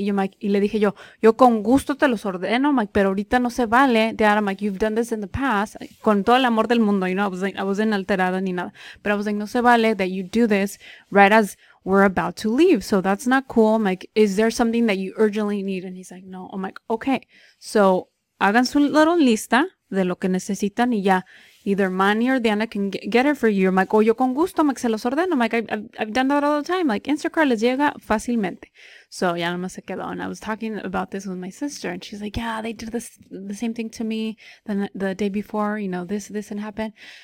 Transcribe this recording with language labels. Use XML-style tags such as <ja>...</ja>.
<en>You're like,</en> <es>y le dije yo, yo con gusto te los ordeno.</es> <en>I'm like,</en> <es>pero ahorita no se vale.</es> <en>Dad, I'm like, you've done this in the past.</en> <es>Con todo el amor del mundo,</es> <en>you know, I wasn't</en> <es>alterada ni nada.</es> <en>But I was like,</en> <es>no se vale</es> <en>that you do this right as we're about to leave. So that's not cool. I'm like, is there something that you urgently need? And he's like, no. I'm like, okay.</en> <es>So hagan su little lista de lo que necesitan y ya.</es> <en>Either Manny or Diana can get it for you. I'm like, oh,</en> <es>yo con gusto, me se los ordeno.</es> <en>I'm like, I've done that all the time. Like, Instacart</en> <es>les llega fácilmente.</es> <en>So</en> <es>ya no se quedó.</es> <en>And I was talking about this with my sister, and she's like, yeah, they did the same thing to me the day before, you know, this didn't happen.</en>